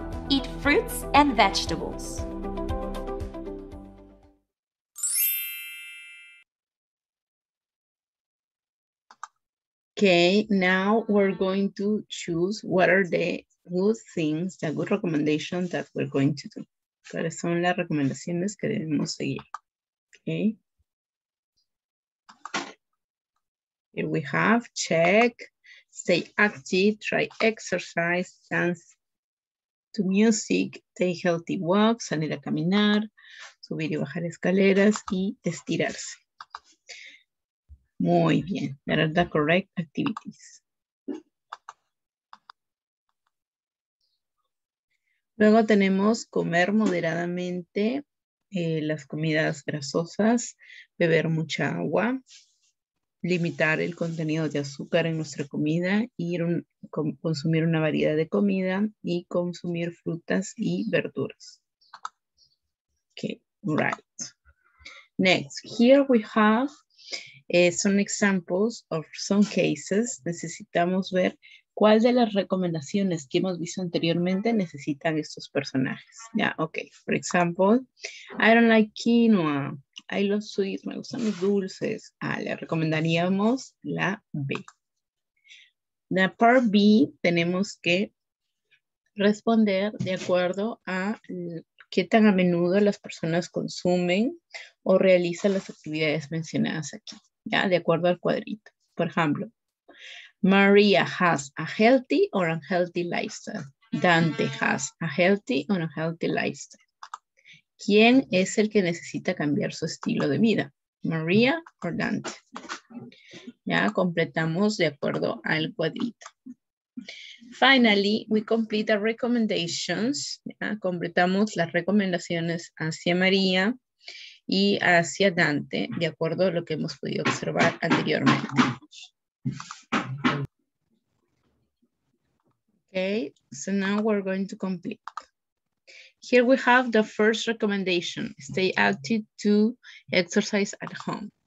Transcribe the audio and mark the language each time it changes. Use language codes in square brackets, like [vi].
[en] Eat fruits and vegetables. Okay, now we're going to choose what are the good things, the good recommendation that we're going to do. [es] ¿Cuáles son las recomendaciones que debemos seguir? [en] Okay. Here we have check, stay active, try exercise, dance to music, take healthy walks, [es] salir a caminar, subir y bajar escaleras y estirarse. Muy bien. [en] That are the correct activities. [es] Luego tenemos comer moderadamente las comidas grasosas, beber mucha agua, limitar el contenido de azúcar en nuestra comida, consumir una variedad de comida y consumir frutas y verduras. [en] Okay, right. Next, here we have some examples of some cases. [es] Necesitamos ver cuál de las recomendaciones que hemos visto anteriormente necesitan estos personajes. [en] Yeah, okay. For example, I don't like quinoa. I love sweets. [es] Me gustan los dulces. Ah, le recomendaríamos la B. [en] The part B, [es] tenemos que responder de acuerdo a qué tan a menudo las personas consumen o realizan las actividades mencionadas aquí. Ya, de acuerdo al cuadrito. Por ejemplo, [en] Maria has a healthy or unhealthy lifestyle. Dante has a healthy or unhealthy lifestyle. [es] ¿Quién es el que necesita cambiar su estilo de vida? Maria o Dante. Ya, completamos de acuerdo al cuadrito. [en] Finally, we complete the recommendations. [es] Ya, completamos las recomendaciones hacia María y hacia Dante, de acuerdo a lo que hemos podido observar anteriormente. [en] Okay, so now we're going to complete. Here we have the first recommendation. Stay active to exercise at home.